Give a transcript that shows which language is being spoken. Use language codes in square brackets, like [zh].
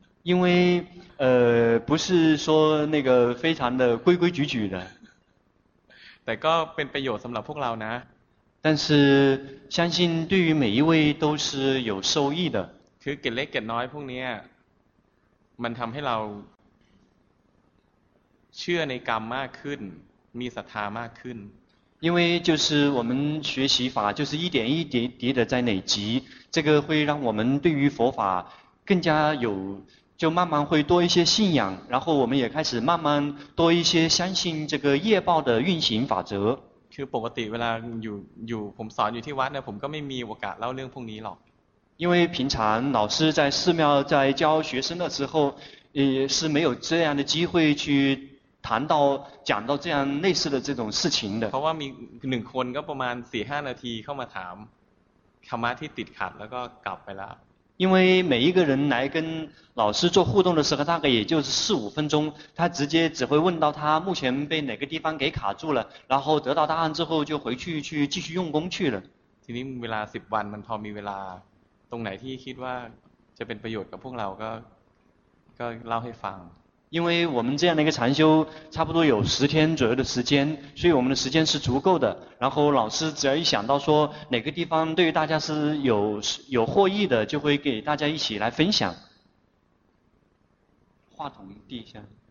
[zh] 因为不是说那个非常的规规矩矩的 [th] แต่ก็เป็นประโยชน์สำหรับพวกเรานะ [zh] 但是相信对于每一位都是有受益的 [th] คือเกล็ดเล็กเกล็ดน้อยพวกนี้มันทำให้เราเชื่อในกรรมมากขึ้นมีศรัทธามากขึ้น [zh] 因为就是我们学习法就是一点一点滴的在累积这个会让我们对于佛法更加有就慢慢会多一些信仰然后我们也开始慢慢多一些相信这个业报的运行法则 [th] คือปกติเวลาอยู่ผมสอนอยู่ที่วัดเนี่ยผมก็ไม่มีโอกาสเล่าเรื่องพวกนี้หรอก [zh] 因为平常老师在寺庙在教学生的时候也是没有这样的机会去谈到讲到这样类似的这种事情的 [th] เพราะว่ามีหนึ่งคนก็ประมาณ 4-5 นาทีเข้ามาถามธรรมะที่ติดขัดแล้วก็กลับไปละ [zh] 因为每一个人来跟老师做互动的时候大概也就是四五分钟他直接只会问到他目前被哪个地方给卡住了然后得到答案之后就回去去继续用功去了 [th] ทีนี้เวลา10วันมันพอมีเวลาตรงไหนที่คิดว่าจะเป็นประโยชน์กับพวกเราก็เล่าให้ฟัง [zh] 因为我们这样的一个禅修差不多有十天左右的时间所以我们的时间是足够的然后老师只要一想到说哪个地方对于大家是有获益的就会给大家一起来分享话筒递一下